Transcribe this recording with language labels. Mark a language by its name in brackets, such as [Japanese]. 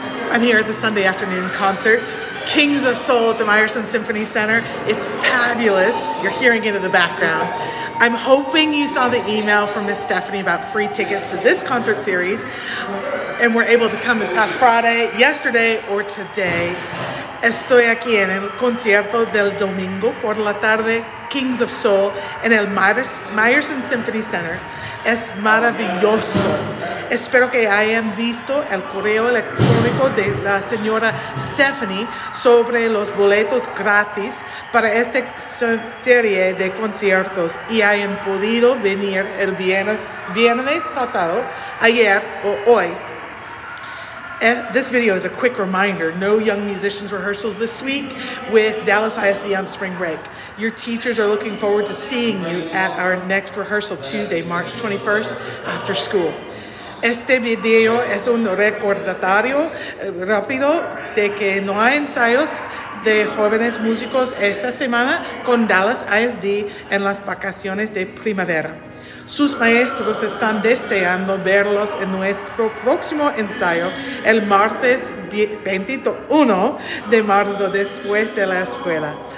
[English] I'm here at the Sunday afternoon concert, Kings of Soul at the Meyerson Symphony Center. It's fabulous. You're hearing it in the background. I'm hoping you saw the email from Miss Stephanie about free tickets to this concert series and were able to come this past Friday, yesterday, or today. [Spanish] Estoy aquí en el concierto del domingo por la tarde, Kings of Soul, en el Meyerson Symphony Center. Es maravilloso. Espero que hayan visto el correo electrónico de la señora Stephanie sobre los boletos gratis para esta serie de conciertos y hayan podido venir el viernes pasado, ayer o hoy. [English] This video is a quick reminder. No Young Musicians rehearsals this week with Dallas ISD on spring break. Your teachers are looking forward to seeing you at our next rehearsal Tuesday, March 21st, after school. [Spanish] Este video es un recordatorio rápido de que no hay ensayos de jóvenes músicos esta semana con Dallas ISD en las vacaciones de primavera. Sus maestros están deseando verlos en nuestro próximo ensayo el martes 21 de marzo después de la escuela.